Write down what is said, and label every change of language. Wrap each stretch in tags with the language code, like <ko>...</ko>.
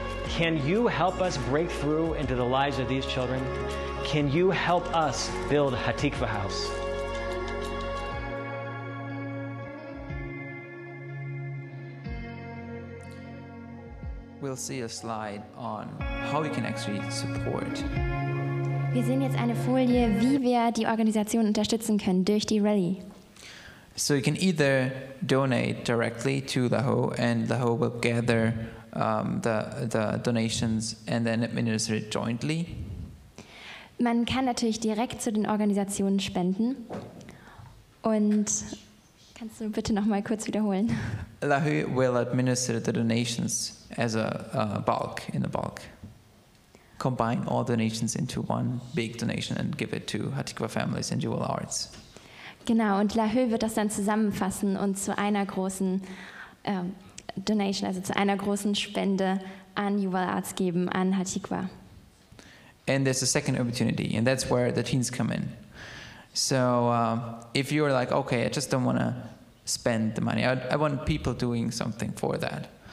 <en>Can you help us break through into the lives of these children? Can you help us build Hatikva House? We'll see a slide on how we can actually support.</en> <de>Wir sehen jetzt eine Folie, wie wir die Organisation unterstützen können durch die Rally.</de> <en>So you can either donate directly to LAHO, and LAHO will gather the donations and then administer it jointly.</en> <de>Man kann natürlich direkt zu den Organisationen spenden. Und kannst du bitte noch mal kurz wiederholen?</de> <en>LAHO will administer the donations as a bulk, in a bulk. Combine all donations into one big donation and give it to Hatikva Families and Jewel Arts.</en> <de>Genau, und LAHO wird das dann zusammenfassen und zu einer großen Donation, also zu einer großen Spende an Jewel Arts geben, an Hatikva.</de> <en>And there's a second opportunity, and that's where the teens come in. So if you're like, okay, I just don't want to spend the money, I want people doing something for that.</en>